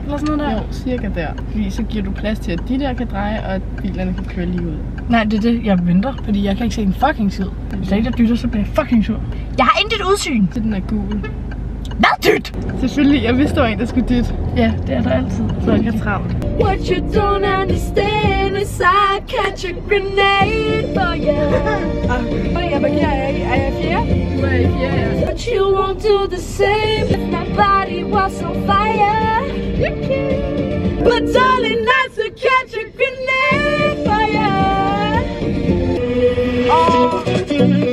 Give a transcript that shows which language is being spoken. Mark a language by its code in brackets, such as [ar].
[da] Eller sådan noget der? Jo, cirka der. Fordi så giver du plads til, at de der kan dreje, og at bilerne kan køre lige ud. Nej, det er det, jeg venter. Fordi jeg kan ikke se en fucking tid. Hvis der ikke er dytter, så bliver jeg fucking sur. Jeg har intet udsyn. Til den er gul. Hvad dyt? Selvfølgelig, jeg vidste, der var en, der skulle dyt. Ja, det er der altid. Så jeg kan travlt. [en] What you don't understand is I catch a grenade for you. [da] Hvad er jeg? Er jeg fjerde? [en] But you won't do the same if my body was on fire. But darling, that's a catch a grenade for you.